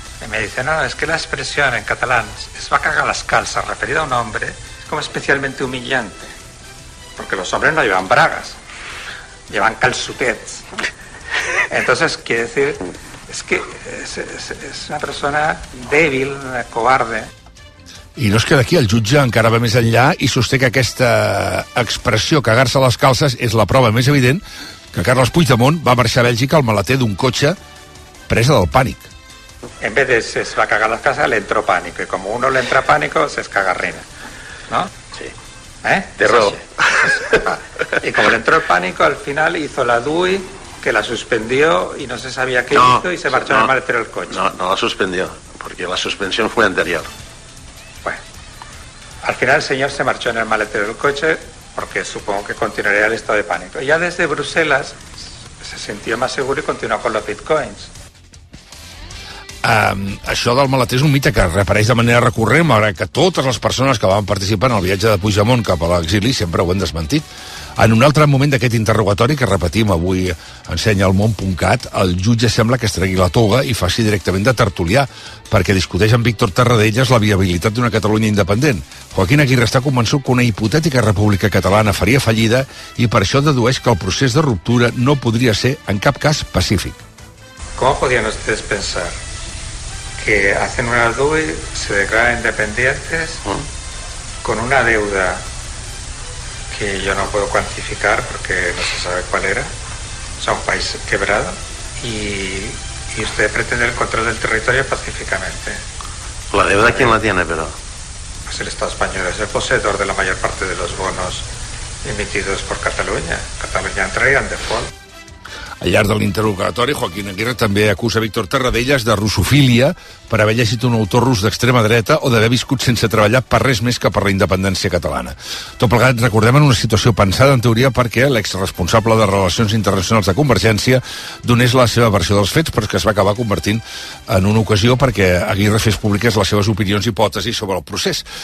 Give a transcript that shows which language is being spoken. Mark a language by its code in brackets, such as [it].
[es] Me dice, no, es que la expresión en catalán es va a cagar las calzas, referida a un hombre, es como especialmente humillante. Porque los hombres no llevan bragas, llevan calzutets. Entonces quiere decir es que es una persona débil, cobarde. [ca] I no es queda aquí, el jutge encara va més enllà i sosté que aquesta expressió, cagar-se les calces, és la prova més evident que Carles Puigdemont va marxar a Bèlgica al maleter d'un cotxe presa del pànic. [es] En vez de se va a cagar las calces, le entró pánico. Y como uno le entra pánico, se es cagarrina. ¿No? Sí. ¿Eh? De rojo. Sí, sí. Y como le entró el pánico, al final hizo la DUI, que la suspendió y no se sabía qué no, hizo y se marchó al maletero del coche. No la suspendió, porque la suspensión fue anterior. Al final el señor se marchó en el maletero del coche porque supongo que continuaría el estado de pánico. Ya desde Bruselas se sintió más seguro y continuó con los bitcoins. [ca] Això del maleter és un mite que reapareix de manera recurrent, malgrat que totes les persones que van participar en el viatge de Puigdemont cap a l'exili sempre ho han desmentit. En un altre moment d'aquest interrogatori que repetim avui ensenyaelmón.cat, el jutge sembla que es tregui la toga i faci directament de tertulià perquè discuteix amb Víctor Tarradellas la viabilitat d'una Catalunya independent. Joaquín Aguirre està convençut que una hipotètica república catalana faria fallida i per això dedueix que el procés de ruptura no podria ser en cap cas pacífic. Com podien [es] ustedes pensar que hacen una DUI, se declaran independientes, con una deuda que yo no puedo cuantificar porque no se sabe cuál era, o sea, un país quebrado, y usted pretende el control del territorio pacíficamente. ¿La deuda quién la tiene, pero? Pues el Estado español es el poseedor de la mayor parte de los bonos emitidos por Cataluña. Cataluña entraría en default. [ca] Al llarg de l'interrogatori, Joaquín Aguirre també acusa Víctor Tarradellas de russofília per haver llegit un autor rus d'extrema dreta o d'haver viscut sense treballar per res més que per la independència catalana. Tot plegat, recordem, en una situació pensada en teoria perquè l'exresponsable de Relacions Internacionals de Convergència donés la seva versió dels fets, però que es va acabar convertint en una ocasió perquè Aguirre fes públiques les seves opinions i hipòtesis sobre el procés.